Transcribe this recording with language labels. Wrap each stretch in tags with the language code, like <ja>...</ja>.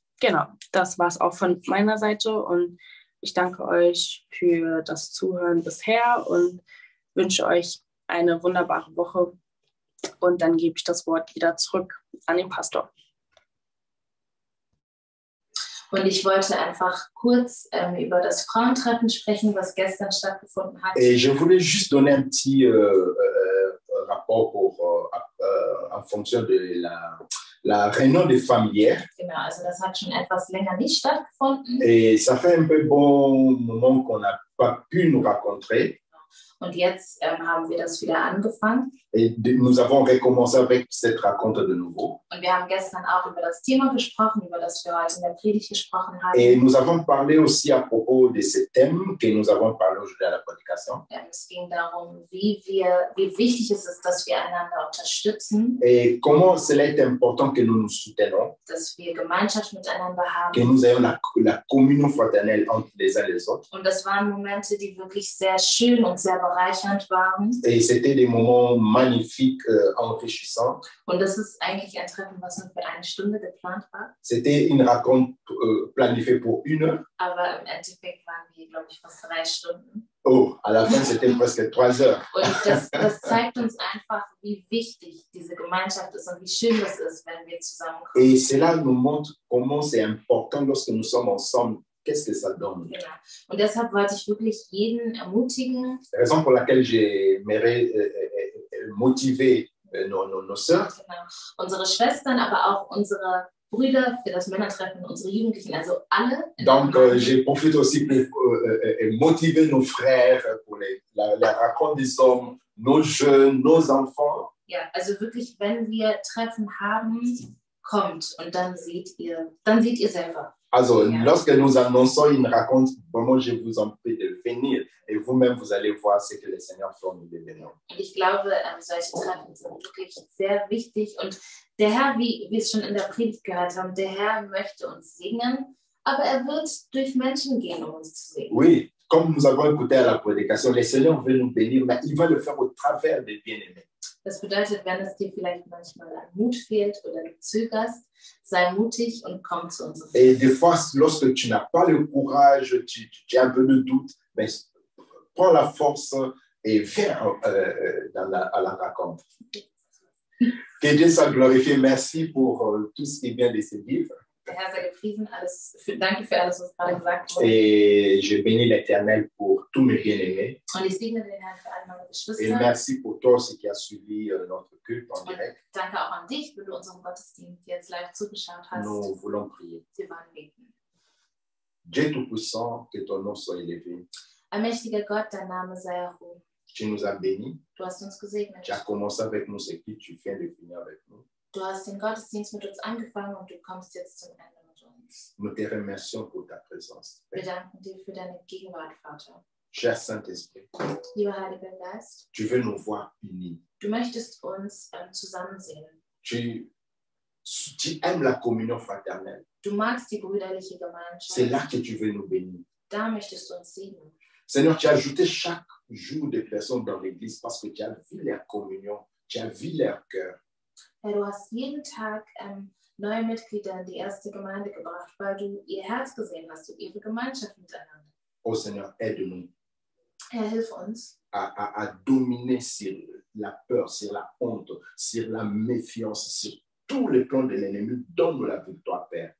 <de>Genau, das war es auch von meiner Seite und ich danke euch für das Zuhören bisher und wünsche euch eine wunderbare Woche. Und dann gebe ich das Wort wieder zurück an den Pastor. Und ich wollte einfach kurz über das Frauentreffen sprechen, was gestern stattgefunden hat.</de> <fr>Et je voulais juste donner un petit rapport pour, en fonction de la... La réunion des familières.</fr> <de>Genau, also das hat schon etwas länger nicht stattgefunden.</de> <fr>Et ça fait un peu bon moment qu'on n'a pas pu nous rencontrer.</fr> <de>Und jetzt haben wir das wieder angefangen.</de> <fr>Et nous avons recommencé avec cette rencontre de nouveau.</fr> <de>Und wir haben gestern auch über das Thema gesprochen, über das wir heute in der Predigt gesprochen haben.</de> <fr>Et nous avons parlé aussi à propos de ce thème que nous avons parlé aujourd'hui à la prédication.</fr> <de>Ja, es ging darum, wie wichtig es ist, dass wir einander unterstützen.</de> <fr>Et comment cela est important que nous nous soutenons.</fr> <de>Dass wir Gemeinschaft miteinander haben.</de> <fr>Que nous ayons la communion fraternelle entre les uns et les autres.</fr> <de>Und das waren Momente, die wirklich sehr schön und sehr bereichernd waren.</de> <fr>Et c'était des moments magnifique, enrichissant.</fr> <de>Und das ist eigentlich ein Treffen, was nur für eine Stunde geplant war.</de> <fr>C'était une rencontre planifiée pour une heure.</fr> <de>Aber im Endeffekt waren wir, glaube ich, fast drei Stunden.</de> <fr>Oh, à la fin, c'était presque trois heures.</fr> <de>Und das zeigt uns einfach, wie wichtig diese Gemeinschaft ist und wie schön es ist, wenn wir zusammenkommen.</de> <fr>Et cela nous montre comment c'est important lorsque nous sommes ensemble. Qu'est-ce que ça donne?</fr> <de>Genau. Und deshalb wollte ich wirklich jeden ermutigen.</de> <fr>La raison pour laquelle j'aimerais motiver nos sœurs.</fr> <de>Genau. Unsere Schwestern, aber auch unsere Brüder für das Männertreffen, unsere Jugendlichen, also alle.</de> <fr>Donc, je profite aussi pour motiver nos frères, pour la rencontre des hommes, nos jeunes, nos enfants.</fr> <de>Ja, also wirklich, wenn wir Treffen haben, kommt und dann seht ihr selber. Also, ja.</de> <fr>Lorsque nous annonçons une rencontre, vraiment, je vous en prie de venir et vous-même, vous allez voir ce que le Seigneur fait en nous devenant.</fr> <de>Ich glaube, solche Treffen sind wirklich sehr wichtig und der Herr, wie wir es schon in der Predigt gehört haben, der Herr möchte uns segnen, aber er wird durch Menschen gehen, um uns zu segnen.</de> <fr>Oui, comme nous avons écouté à la prédication, le Seigneur veut nous bénir, mais il va le faire au travers des bien-aimés.</fr> <de>Das bedeutet, wenn es dir vielleicht manchmal an Mut fehlt oder du zögerst, sei mutig und komm zu uns.</de> <fr>Et des fois, lorsque tu n'as pas le courage, tu as un peu de doute, mais prends la force et viens à la rencontre. Que Dieu soit glorifié, merci pour tout ce qui vient de ce livre.</fr> <de>Der Herr sei gepriesen, danke für alles, was gerade gesagt wurde.</de> <fr>Et je bénis l'Éternel pour tous mes bien-aimés.</fr> <de>Und ich segne den Herrn für alle meine Geschwister.</de> <fr>Et merci pour toi aussi qui as suivi notre culte en direct.</fr> <de>Und danke auch an dich, wenn du unserem Gottesdienst jetzt live zugeschaut hast.</de> <fr>Nous voulons prier.</fr> <de>Wir wollen beten.</de> <fr>Dieu Tout-Puissant, que ton nom soit élevé.</fr> <de>Allmächtiger Gott, dein Name sei erhoben.</de> <fr>Tu nous as bénis.</fr> <de>Du hast uns gesegnet.</de> <fr>Tu as commencé avec nous ce qui tu viens de finir avec nous.</fr> <de>Du hast den Gottesdienst mit uns angefangen und du kommst jetzt zum Ende mit uns.</de> <fr>Nous te remercions pour ta présence.</fr> <de>Wir danken dir für deine Gegenwart, Vater.</de> <fr>Cher Saint-Esprit.</fr> <de>Lieber Heiliger Geist.</de> <fr>Tu veux nous voir unis.</fr> <de>Du möchtest uns zusammen sehen.</de> <fr>Tu aimes la communion fraternelle.</fr> <de>Du magst die brüderliche Gemeinschaft.</de> <fr>C'est là que tu veux nous bénir.</fr> <de>Da möchtest du uns segnen.</de> <fr>Seigneur, tu as ajouté chaque jour des personnes dans l'église parce que tu as vu leur communion, tu as vu leur cœur.</fr> <de>Herr, du hast jeden Tag neue Mitglieder in die erste Gemeinde gebracht, weil du ihr Herz gesehen hast und ihre Gemeinschaft miteinander.</de> <fr>Oh, Seigneur, aide-nous.</fr> <de>Herr, hilf uns.</de> <fr>À dominer sur la peur, sur la honte, sur la méfiance, sur tous les plans de l'ennemi. Donne-nous la victoire, Père.</fr>